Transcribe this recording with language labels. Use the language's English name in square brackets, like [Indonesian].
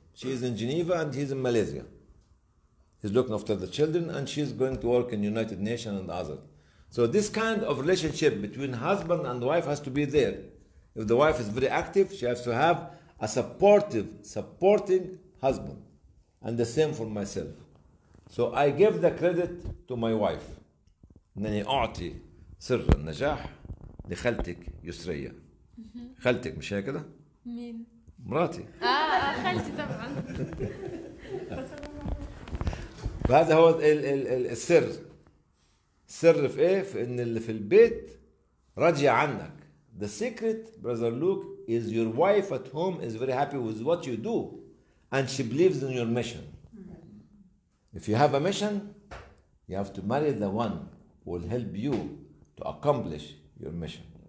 [English] She is in Geneva and he's in Malaysia. He's looking after the children and she's going to work in United Nations and others. So this kind of relationship between husband and wife has to be there. If the wife is very active, she has to have a supporting husband. And the same for myself. So I give the credit to my wife. [Arabic] نني أعطي سر النجاح لخالتك يسرية. خالتك مش هيك كده؟ مين؟ مراتي. خالتي طبعا. فهذا هو السر. السر في ايه؟ في ان اللي في البيت راضي عنك. [English] The secret, Brother Luke, is your wife at home is very happy with what you do and she believes in your mission. If you have a mission, you have to marry the one who will help you to accomplish your mission.